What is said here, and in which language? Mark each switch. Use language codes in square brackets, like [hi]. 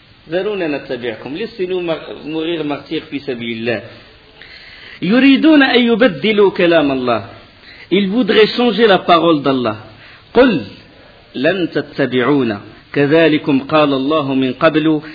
[ar] ذرونا نتبعكم [fr] laissez-nous mourir martyr [ar] fi sabilillah. يريدون أن يبدلوا كلام الله. [fr] Ils voudraient changer la parole d'Allah. [ar] قل لن تتبعونا كذلكم قال الله من قبل.